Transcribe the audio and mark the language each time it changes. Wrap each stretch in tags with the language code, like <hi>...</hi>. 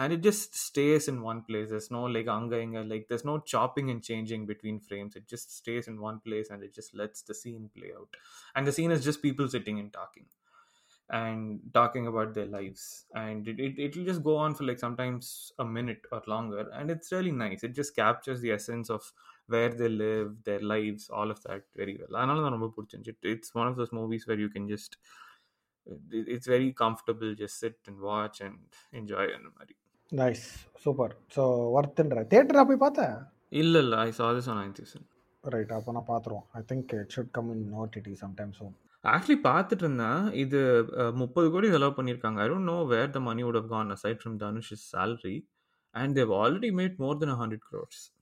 <en>and it just stays in one place, there's no like</en> <ta>அங்கே இங்கே</ta> <en>Like there's no chopping and changing between frames, it just stays in one place and it just lets the scene play out. And the scene is just people sitting and talking and talking about their lives, and it will just go on for like sometimes a minute or longer, and it's really nice. It just captures the essence of where they live, their lives, all of that very well. I don't know about it, it's one of those movies where you can just, it's very comfortable, just sit and watch and enjoy it. Nice, super. So worth it.</en> <ta>Theater la poi paatha illa illa,</ta> <en>I saw this on 9th season. Right,</en> <ta>appo na paathrom.</ta> <en>I think it should come in OTT sometime soon.</en> <ta>Actually பார்த்துட்டு இருந்தேன், இது 30 crore செலவு பண்ணியிருக்காங்க.</ta> <en>I don't know where the money would have gone aside from Dhanush salary, and they've already made more than 100 crores.</en>